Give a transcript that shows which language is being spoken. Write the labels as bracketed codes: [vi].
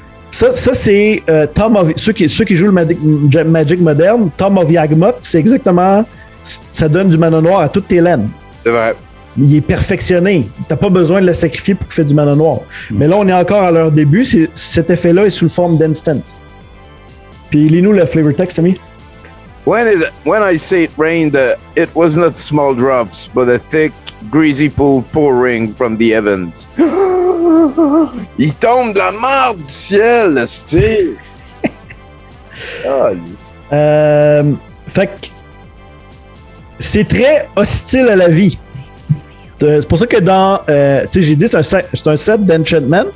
[fr] Ça c'est Tom of, ceux qui jouent le Magic Modern, Tom of Yagmoth, c'est exactement, ça donne du mana noir à toutes tes laines. C'est vrai. Il est perfectionné. T'as pas besoin de le sacrifier pour qu'il fasse du mana noir. Mais là, on est encore à leur début. Cet effet-là est sous la forme d'instant. Puis lis-nous le flavor text, Tommy. [en] When I say it rained, it was not small drops, but a thick greasy pool pouring from the heavens. [fr] Il tombe de la marde du ciel, style. Fait que c'est très hostile à la vie. C'est pour ça que dans, tu sais, j'ai dit c'est un set d'enchantment.